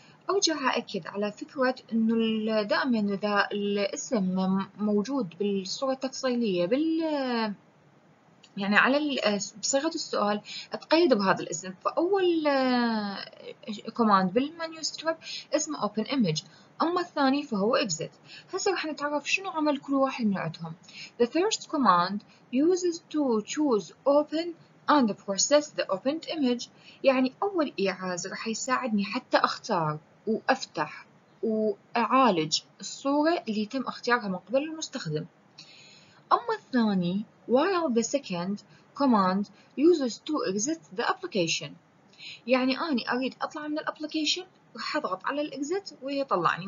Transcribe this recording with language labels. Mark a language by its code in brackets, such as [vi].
[ar] أرجع أأكد على فكرة إنه دائما إذا الاسم موجود بالصورة التفصيلية يعني على بصيغة السؤال اتقيد بهذا الاسم، فأول كوماند بالمنيو ستريب اسمه open image، أما الثاني فهو exit. هسه راح نتعرف شنو عمل كل واحد من عندهم. [en] The first command uses to choose open and process the opened image. [ar] يعني أول إعاز راح يساعدني حتى أختار وأفتح وأعالج الصورة اللي تم اختيارها من قبل المستخدم. أما الثاني [en] while the second command uses to exit the application، [ar] يعني أنا أريد أطلع من الابليكيشن راح أضغط على الإكزت ويطلعني.